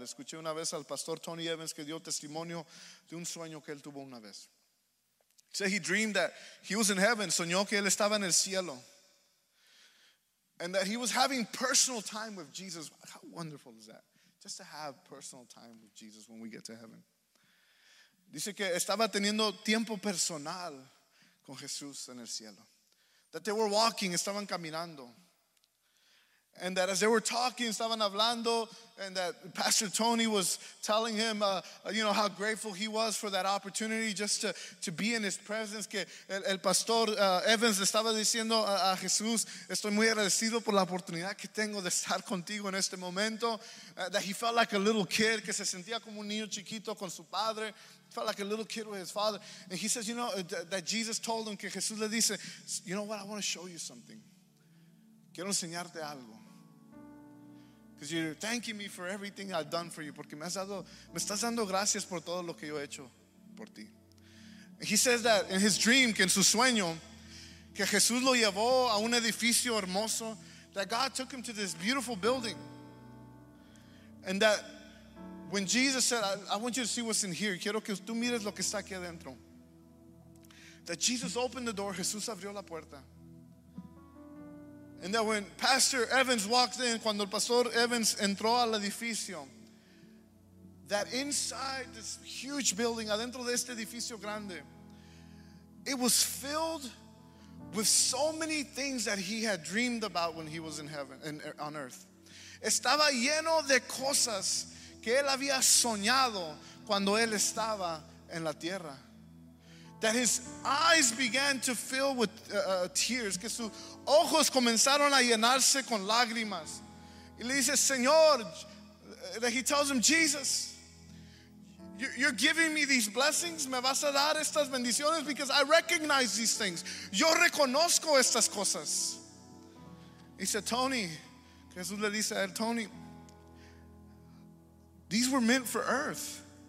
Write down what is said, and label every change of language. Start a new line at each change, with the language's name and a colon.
Spanish: Escuché una vez al Pastor Tony Evans que dio testimonio de un sueño que él tuvo una vez.
English: He said he dreamed that he was in heaven.
Spanish: Soñó que él estaba en el cielo.
English: And that he was having personal time with Jesus. How wonderful is that? Just to have personal time with Jesus when we get to heaven.
Spanish: Dice que estaba teniendo tiempo personal con Jesús en el cielo.
English: That they were walking,
Spanish: estaban caminando.
English: And that as they were talking,
Spanish: estaban hablando,
English: and that Pastor Tony was telling him, you know, how grateful he was for that opportunity just to be in his presence.
Spanish: Que el Pastor Evans estaba diciendo a Jesús, estoy muy agradecido por la oportunidad que tengo de estar contigo en este momento.
English: That he felt like a little kid,
Spanish: que se sentía como un niño chiquito con su padre.
English: Felt like a little kid with his father. And he says, you know, that Jesus told him,
Spanish: que Jesús le dice,
English: you know what, I want to show you something.
Spanish: Quiero enseñarte algo.
English: Because you're thanking me for everything I've done for you.
Spanish: Porque me estás dando gracias por todo lo que yo he hecho por ti.
English: And he says that in his dream,
Spanish: que en su sueño, que Jesús lo llevó a un edificio hermoso,
English: that God took him to this beautiful building. And that when Jesus said, I want you to see what's in here.
Spanish: Quiero que tú mires lo que está aquí adentro.
English: That Jesus opened the door.
Spanish: Jesús abrió la puerta.
English: And that when Pastor Evans walked in,
Spanish: cuando el Pastor Evans entró al edificio,
English: that inside this huge building,
Spanish: adentro de este edificio grande,
English: it was filled with so many things that he had dreamed about when he was in heaven and on earth.
Spanish: Estaba lleno de cosas que él había soñado cuando él estaba en la tierra.
English: That his eyes began to fill with tears.
Spanish: Que sus ojos comenzaron a llenarse con lágrimas. Y le dice, Señor,
English: that he tells him, Jesus, you're giving me these blessings.
Spanish: Me vas a dar estas bendiciones
English: because I recognize these things.
Spanish: Yo reconozco estas cosas.
English: He said, Tony,
Spanish: Jesús le dice a él, Tony,
English: these were meant for earth.